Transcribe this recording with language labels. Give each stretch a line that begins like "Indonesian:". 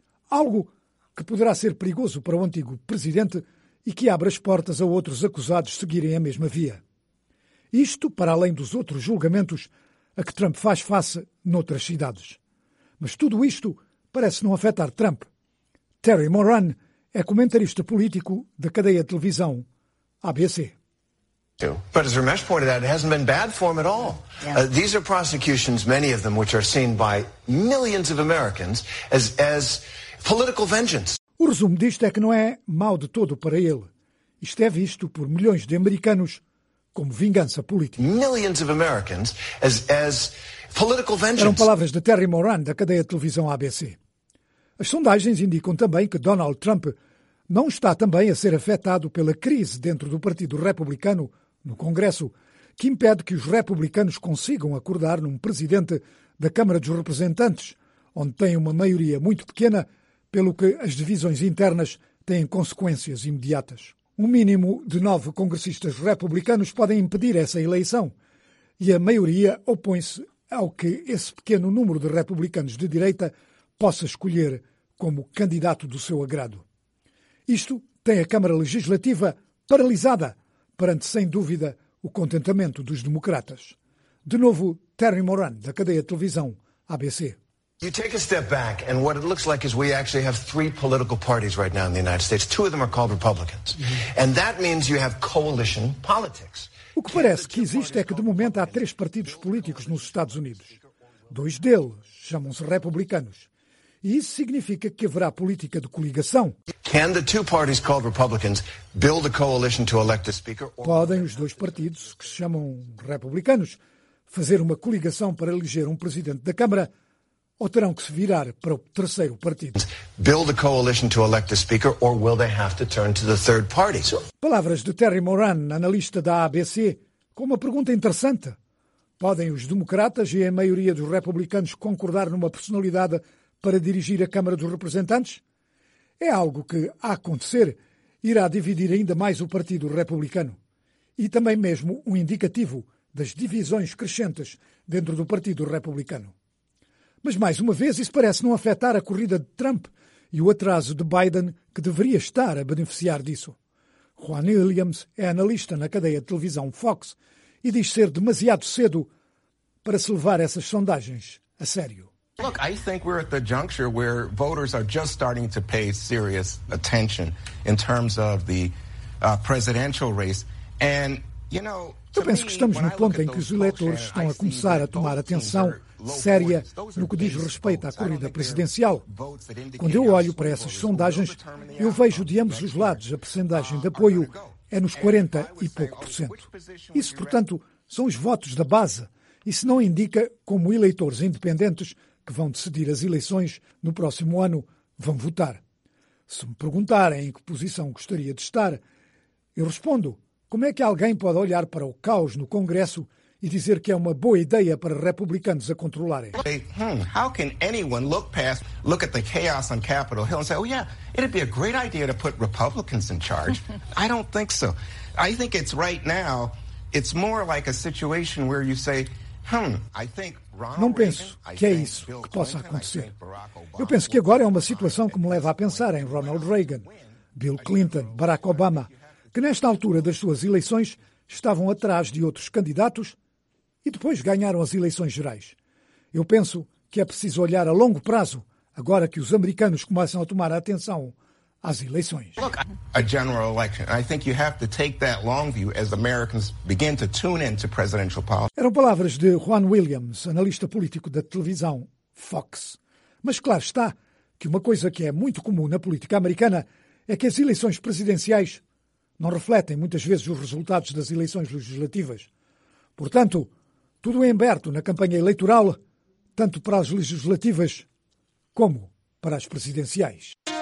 Portuguese: Algo que poderá ser perigoso para o antigo presidente e que abre as portas a outros acusados seguirem a mesma via. Isto, para além dos outros julgamentos a que Trump faz face noutras cidades. Mas tudo isto parece não afetar Trump. Terry Moran é comentarista político da cadeia de televisão ABC.
English: But as Ramesh pointed out, it hasn't been bad for him at all. Yeah. These are prosecutions, many of them, which are seen by millions of Americans as political vengeance.
Portuguese: O resumo disto é que não é mau de todo para ele. Isto é visto por milhões de americanos como vingança política.
English: Millions of Americans as political vengeance.
Portuguese: Eram palavras de Terry Moran, da cadeia de televisão ABC. As sondagens indicam também que Donald Trump não está também a ser afetado pela crise dentro do Partido Republicano, no Congresso, que impede que os republicanos consigam acordar num presidente da Câmara dos Representantes, onde tem uma maioria muito pequena, pelo que as divisões internas têm consequências imediatas. Um mínimo de 9 congressistas republicanos podem impedir essa eleição, e a maioria opõe-se ao que esse pequeno número de republicanos de direita possa escolher como candidato do seu agrado. Isto tem a Câmara Legislativa paralisada perante, sem dúvida, o contentamento dos democratas. De novo, Terry Moran, da cadeia de televisão ABC.
English: You take a step back, and what it looks like is we actually have 3 political parties right now in the United States. 2 of them are called Republicans. And that means you have coalition politics.
Portuguese: O que parece que existe é que, de momento, há 3 partidos políticos nos Estados Unidos. 2 deles chamam-se republicanos. E isso significa que haverá política de coligação.
English: Can the 2 parties called Republicans build a coalition to elect a speaker?
Portuguese: Podem os 2 partidos que se chamam republicanos fazer uma coligação para eleger um presidente da Câmara, ou terão que se virar para o 3º partido?
English: Build a coalition to elect a speaker, or will they have to turn to the 3rd party?
Portuguese: Palavras de Terry Moran, analista da ABC, com uma pergunta interessante. Podem os democratas e a maioria dos republicanos concordar numa personalidade para dirigir a Câmara dos Representantes? É algo que, a acontecer, irá dividir ainda mais o Partido Republicano. E também mesmo um indicativo das divisões crescentes dentro do Partido Republicano. Mas, mais uma vez, isso parece não afetar a corrida de Trump e o atraso de Biden, que deveria estar a beneficiar disso. Juan Williams é analista na cadeia de televisão Fox e diz ser demasiado cedo para se levar essas sondagens a sério.
English: Look, I think we're at the juncture where voters are just starting to pay serious attention in terms of the presidential race. And, you know,
Portuguese: eu penso que estamos no ponto em que os eleitores estão a começar a tomar atenção séria no que diz respeito à corrida presidencial. Quando eu olho para essas sondagens, eu vejo de ambos os lados a percentagem de apoio é nos 40% e pouco. Isso, portanto, são os votos da base. Isso não indica como eleitores independentes que vão decidir as eleições no próximo ano, vão votar. Se me perguntarem em que posição gostaria de estar, eu respondo: como é que alguém pode olhar para o caos no Congresso e dizer que é uma boa ideia para republicanos a controlarem.
English: How can anyone look at the chaos on Capitol Hill and say, oh yeah, it'd be a great idea to put Republicans in charge? I don't think so. I think it's right now, it's more like a situation where you say, I think
Portuguese: Não penso que é isso que possa acontecer. Eu penso que agora é uma situação que me leva a pensar em Ronald Reagan, Bill Clinton, Barack Obama, que nesta altura das suas eleições estavam atrás de outros candidatos e depois ganharam as eleições gerais. Eu penso que é preciso olhar a longo prazo, agora que os americanos começam a tomar atenção às eleições.
English: A general election. I think you have to take that long view as Americans begin to tune into presidential policy.
Portuguese: Eram palavras de Juan Williams, analista político da televisão Fox. Mas claro está que uma coisa que é muito comum na política americana é que as eleições presidenciais não refletem muitas vezes os resultados das eleições legislativas. Portanto, tudo é aberto na campanha eleitoral, tanto para as legislativas como para as presidenciais.